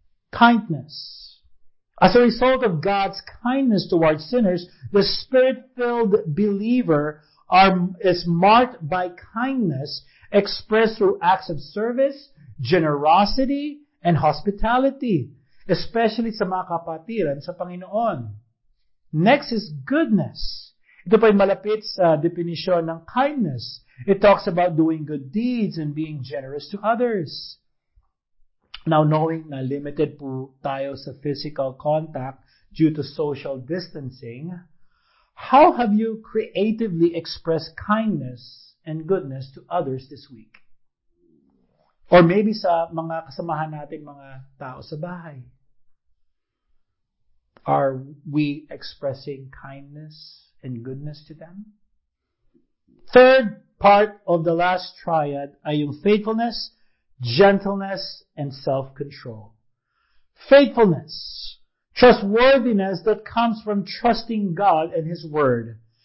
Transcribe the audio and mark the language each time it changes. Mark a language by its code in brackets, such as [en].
[en] Kindness. As a result of God's kindness towards sinners, the Spirit-filled believer is marked by kindness expressed through acts of service, generosity, and hospitality, especially sa mga kapatiran sa Panginoon. Next is goodness. [tl] Ito pa'y malapit sa definisyon ng kindness. [en] It talks about doing good deeds and being generous to others. Now, knowing na limited po tayo sa physical contact due to social distancing, how have you creatively expressed kindness and goodness to others this week? [tl] Or maybe sa mga kasamahan natin, mga tao sa bahay? [en] Are we expressing kindness and goodness to them? Third part of the last triad ay yung faithfulness, gentleness, and self-control. Faithfulness, trustworthiness that comes from trusting God and His Word.